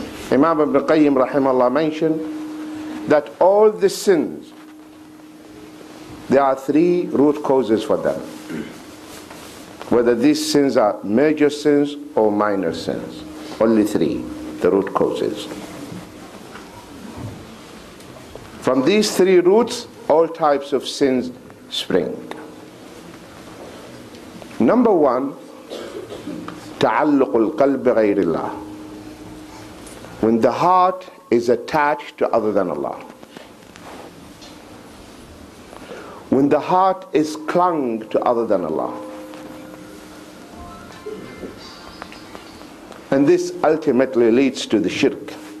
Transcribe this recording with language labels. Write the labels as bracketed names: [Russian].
[English] Imam Ibn Qayyim rahimahullah mentioned that all the sins, there are three root causes for them, whether these sins are major sins or minor sins. Only three, the root causes. From these three roots, all types of sins spring. Number one, [Arabic] تعلق القلب غير الله. [English] When the heart is attached to other than Allah. When the heart is clung to other than Allah. And this ultimately leads to the shirk.